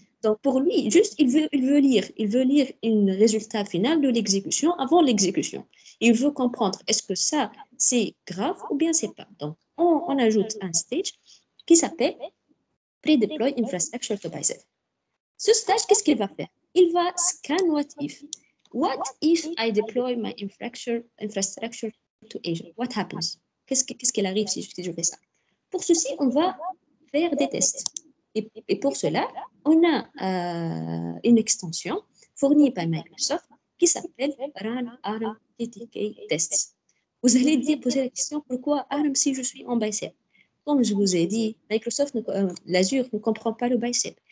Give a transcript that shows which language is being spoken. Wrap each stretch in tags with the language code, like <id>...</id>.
<fr>Donc pour lui, juste, il veut lire un résultat final de l'exécution avant l'exécution. Il veut comprendre, est-ce que ça, c'est grave ou bien ce n'est pas. Donc on ajoute un stage qui s'appelle Pre-Deploy Infrastructure to Bicep. Ce stage, qu'est-ce qu'il va faire? Il va scan what if.</fr> <en>What if I deploy my infrastructure to Azure, what happens?</en> <fr>qu'est-ce qu'il arrive si je fais ça. Pour ceci, on va faire des tests. Et pour cela, on a une extension fournie par Microsoft qui s'appelle Run Arm TTK Tests. Vous allez poser la question, pourquoi Arm si je suis en bicep? Comme je vous ai dit, Microsoft, l'Azure ne comprend pas le bicep.</fr>